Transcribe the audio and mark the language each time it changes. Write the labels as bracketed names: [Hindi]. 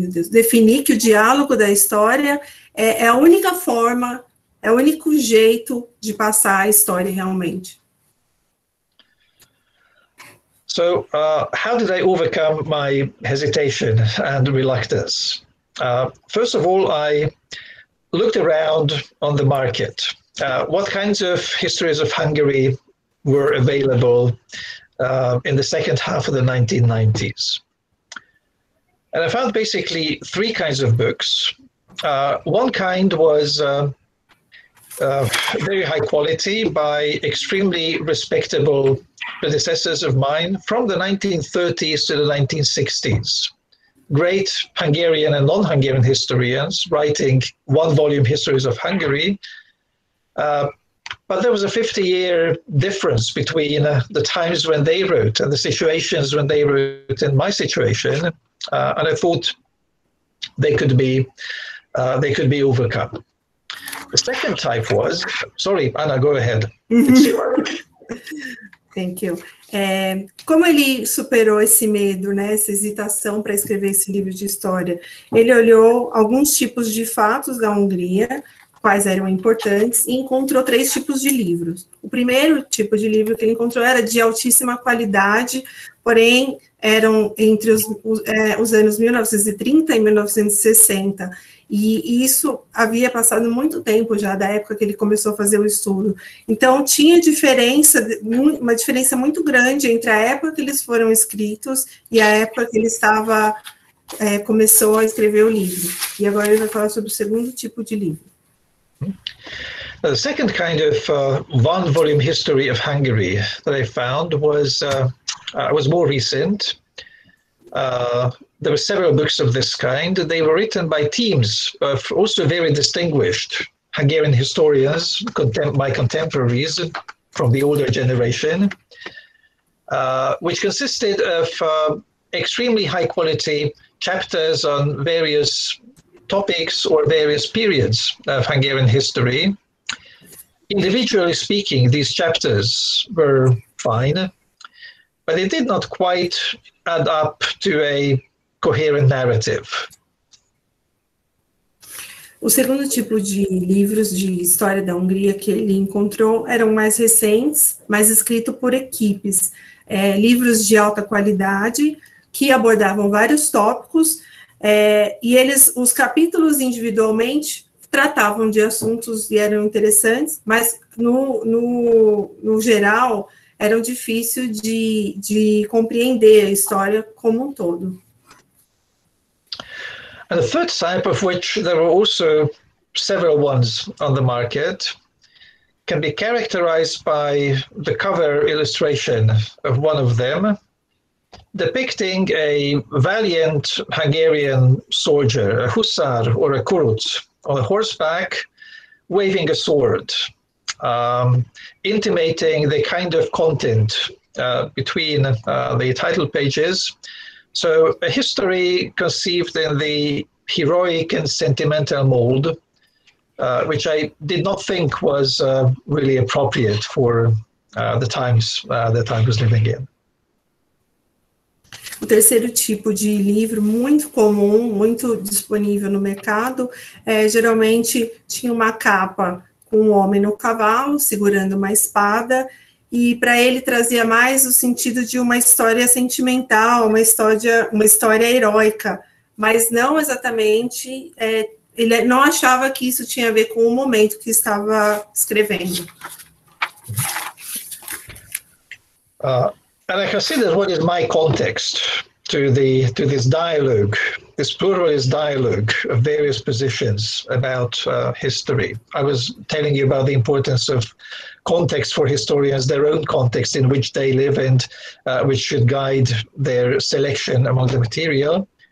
[Portuguese] Definir que o diálogo da história é a única forma, é o único jeito de passar a história realmente. [English] So, how did I overcome my hesitation and reluctance? First of all, I looked around on the market. What kinds of histories of Hungary were available in the second half of the 1990s? And I found basically three kinds of books. One kind was very high quality by extremely respectable predecessors of mine from the 1930s to the 1960s. Great Hungarian and non-Hungarian historians writing one-volume histories of Hungary. But there was a 50-year difference between the times when they wrote and the situations when they wrote in my situation. And I thought they could be overcome. The second type was, sorry, Anna, go ahead. Thank you. [Portuguese] Como ele superou esse medo, né, essa hesitação para escrever esse livro de história? Ele olhou alguns tipos de fatos da Hungria, quais eram importantes, e encontrou três tipos de livros. O primeiro tipo de livro que ele encontrou era de altíssima qualidade, porém eram entre os anos 1930 e 1960, e isso havia passado muito tempo já da época que ele começou a fazer o estudo. Então tinha diferença, uma diferença muito grande entre a época que eles foram escritos e a época que ele estava começou a escrever o livro. E agora ele vai falar sobre o segundo tipo de livro. [English] The second kind of one-volume history of Hungary that I found was more recent. There were several books of this kind. They were written by teams of also very distinguished Hungarian historians, my contemporaries from the older generation, which consisted of extremely high-quality chapters on various topics or various periods of Hungarian history. Individually speaking, these chapters were fine, but they did not quite add up to a coherent narrative. [Portuguese] O segundo tipo de livros de história da Hungria que ele encontrou eram mais recentes, mas escritos por equipes. Livros de alta qualidade, que abordavam vários tópicos, e eles, os capítulos individualmente, tratavam de assuntos e eram interessantes, mas no geral eram difícil de compreender a história como um todo. [English] And the third type, of which there were also several ones on the market, can be characterized by the cover illustration of one of them, depicting a valiant Hungarian soldier, a hussar or a kurut, on a horseback, waving a sword, intimating the kind of content between the title pages. So a history conceived in the heroic and sentimental mold, which I did not think was really appropriate for the times that I was living in. [Portuguese] O terceiro tipo de livro, muito comum, muito disponível no mercado, geralmente tinha uma capa com um homem no cavalo, segurando uma espada, e para ele trazia mais o sentido de uma história sentimental, uma história heróica, mas não exatamente ele não achava que isso tinha a ver com o momento que estava escrevendo. [English] And I consider what is my context to this dialogue, this pluralist dialogue of various positions about history. I was telling you about the importance of context for historians, their own context in which they live and which should guide their selection among the material.